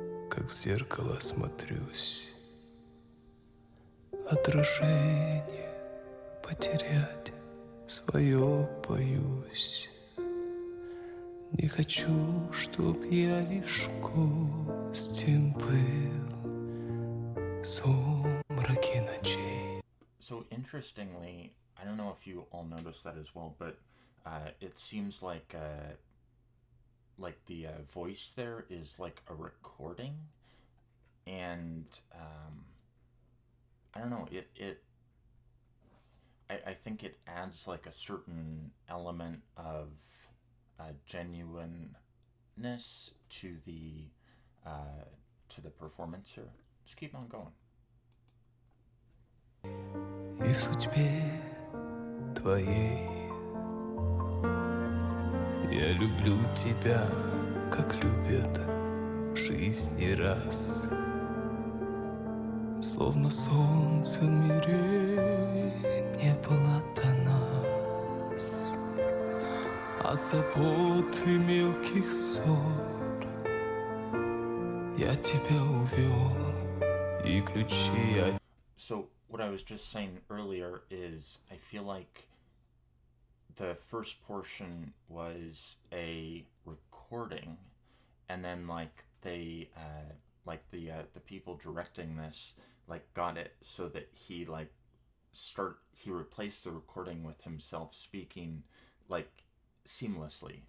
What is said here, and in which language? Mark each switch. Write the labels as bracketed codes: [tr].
[ru] Как в зеркало смотрюсь, отражение потерять свое боюсь. Не хочу, чтоб я лишь костем был в сумраке ночей. [en] So interestingly, I don't know if you all noticed that as well, but it seems like the voice there is like a recording. And I don't know, I think it adds like a certain element of genuineness to the performance here. Let's keep on going. [ru] И судьбе твоей я люблю тебя, как любят в жизни раз. Словно солнце в мире не было до нас. От забот и мелких ссор я тебя увел, и ключи я... [en] So, what I was just saying earlier is, I feel like the first portion was a recording, and then, like, they, the people directing this, like, got it so that he, like, he replaced the recording with himself speaking, like, seamlessly.